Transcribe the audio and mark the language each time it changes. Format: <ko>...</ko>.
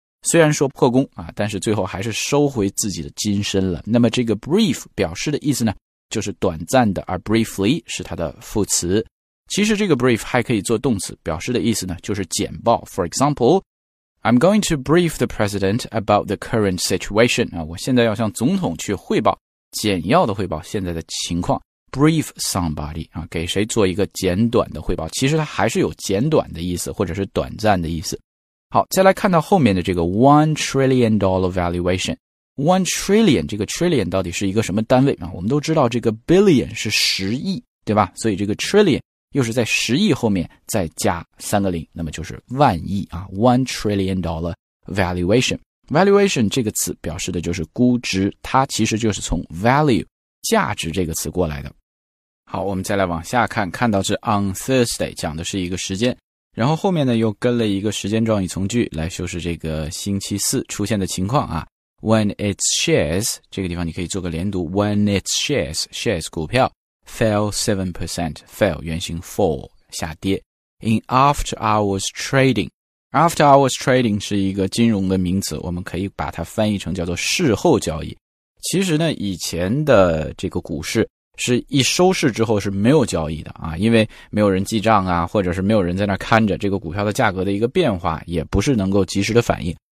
<zh>虽然说破功啊，但是最后还是收回自己的金身了。那么这个 brief 表示的意思呢就是短暂的，而 briefly 是它的副词。其实这个 brief 还可以做动词，表示的意思呢就是简报。</zh> <en>For example,I'm going to brief the president about the current situation.</en> <zh>我现在要向总统去汇报。简要的汇报现在的情况 brief somebody 啊，给谁做一个简短的汇报，其实它还是有简短的意思或者是短暂的意思。好，再来看到后面的这个 $1 trillion valuation。 1 trillion 这个 trillion 到底是一个什么单位啊？我们都知道这个 billion 是十亿，对吧？所以这个 trillion 又是在十亿后面再加三个零，那么就是万亿啊。 $1 trillion valuationValuation 这个词表示的就是估值，它其实就是从 value 价值这个词过来的。好，我们再来往下看，看到是 on Thursday 讲的是一个时间，然后后面呢又跟了一个时间状语从句来修饰这个星期四出现的情况啊。 When its shares 这个地方你可以做个连读 ，When its shares 股票 fell 7% fell 原型 fall 下跌 ， in after hours trading。 After hours trading 是一个金融的名词，我们可以把它翻译成叫做事后交易。其实呢，以前的这个股市是一收市之后是没有交易的啊，因为没有人记账啊，或者是没有人在那看着这个股票的价格的一个变化，也不是能够及时的反应。</zh>